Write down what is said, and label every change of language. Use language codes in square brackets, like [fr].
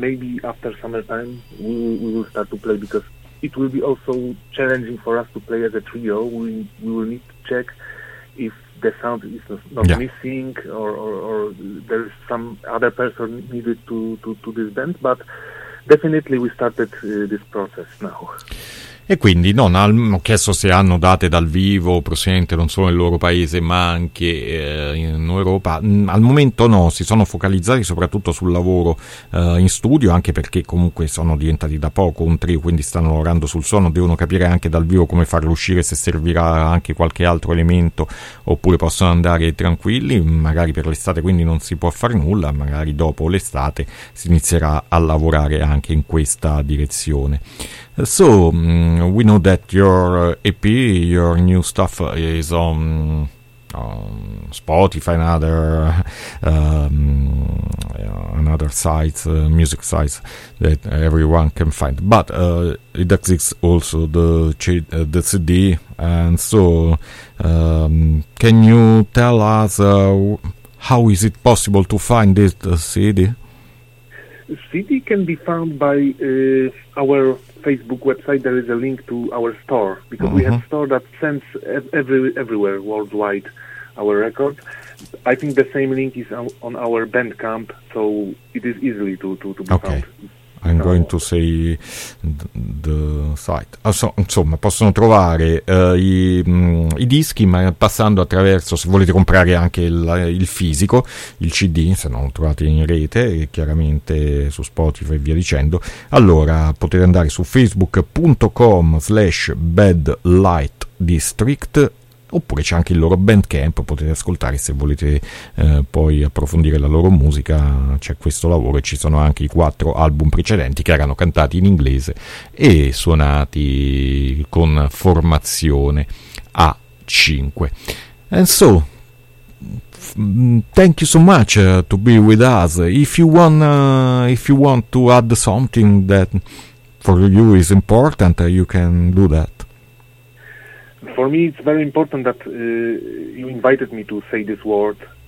[en] Maybe after summertime we will start to play, because it will be also challenging for us to play as a trio. We will need to check if the sound is not missing, or there is some other person needed to this band. But definitely we started this process now. [it] E quindi non ho chiesto se hanno date dal vivo presente non solo nel loro paese ma anche in Europa. Al momento no, si sono focalizzati soprattutto sul lavoro in studio, anche perché comunque sono diventati da poco un trio, quindi stanno lavorando sul suono, devono capire anche dal vivo come farlo uscire, se servirà anche qualche altro elemento oppure possono andare tranquilli. Magari per l'estate quindi non si può fare nulla, magari dopo l'estate si inizierà a lavorare anche in questa direzione. [en] So, we know that your EP, your new stuff is on Spotify and other another sites, music sites that everyone can find. But it exists also the CD. And so, can you tell us how is it possible to find this CD? CD can be found by our Facebook website. There is a link to our store, because mm-hmm. we have store that sends everywhere worldwide our record. I think the same link is on our Bandcamp, so it is easily to be okay. found. Okay, I'm going to say the site. [it] Insomma, possono trovare i dischi, ma passando attraverso, se volete comprare anche il fisico, il CD, se non lo trovate in rete, chiaramente su Spotify e via dicendo, allora potete andare su facebook.com/badlightdistrict, oppure c'è anche il loro Bandcamp, potete ascoltare se volete poi approfondire la loro musica. C'è questo lavoro e ci sono anche i 4 album precedenti che erano cantati in inglese e suonati con formazione a 5. [en] And so, thank you so much to be with us. If you want to add something that for you is important, you can do that. For me, it's very important that you invited me to say this words.